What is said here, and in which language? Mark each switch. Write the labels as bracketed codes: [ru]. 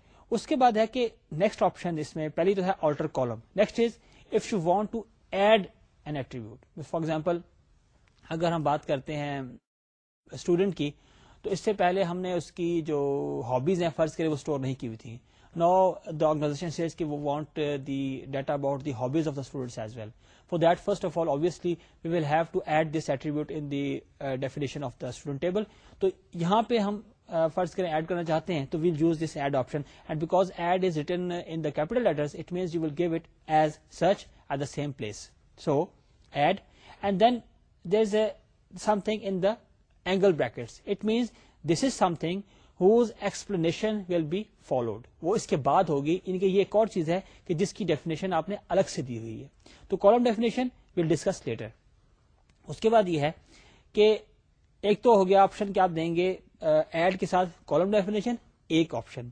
[ur] اس کے بعد ہے کہ [en] next option, [ur] اس میں پہلی تو ہے [en] Alter column, next is if you want to add an attribute. [ur] For example, اگر ہم بات کرتے ہیں اسٹوڈنٹ کی, تو اس سے پہلے ہم نے اس کی جو ہابیز ہیں فرض کے لیے وہ اسٹور نہیں کی ہوئی تھی. [en] Now the organization says کہ وہ want the data about the hobbies of the students as well. For that, first of all, obviously, we will have to add this attribute in the definition of the student table. [ur] تو یہاں پہ ہم فرض کریں add کرنا چاہتے ہیں [en] تو well use this add option, and because add is written in the capital letters it means you will give it as such at the same place. So, add, and then there's something in the angle brackets. It means this is some thing whose explanation will be followed. [ur] وہ اس کے بعد ہوگی. ان کے یہ ایک اور چیز ہے کہ جس کی ڈیفینیشن آپ نے الگ سے دی ہوئی ہے. تو column definition [en] Will discuss later. [ur] اس کے بعد یہ ہے کہ ایک تو ہو گیا آپشن کہ آپ دیں گے ایڈ کے ساتھ کالم ڈیفینیشن, ایک آپشن.